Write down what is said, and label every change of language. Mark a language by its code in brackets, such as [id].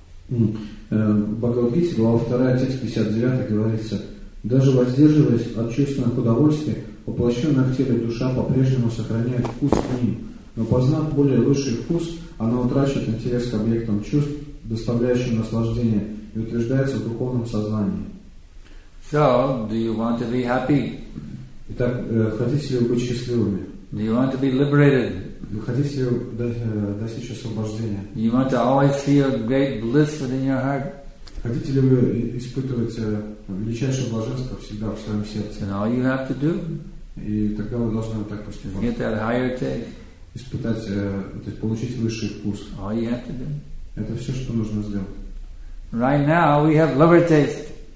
[ru] В Бхагавад-гите, глава 2, текст 59, говорится, «Даже воздерживаясь от чувственных удовольствий, воплощенная в теле душа по-прежнему сохраняет вкус к ним, но познав более высший вкус, она утрачивает интерес к объектам чувств, доставляющим наслаждение, и утверждается в духовном сознании». [en] So, do you want to be happy? [ru] Итак, хотите ли вы быть счастливыми? [en] Do you want to be liberated? [ru] Вы хотите достичь освобождения? [en] You want to always see a great bliss within your heart? [ru] Хотите ли вы испытывать величайшее блаженство всегда в своем сердце? [en] And all you have to do? [ru] И тогда вы должны вот так поступать. [en] Get that higher taste. [ru] Испытать, получить высший вкус. [en] All you have to do? [ru] Это все, что нужно сделать. [en] Right now we have lower taste.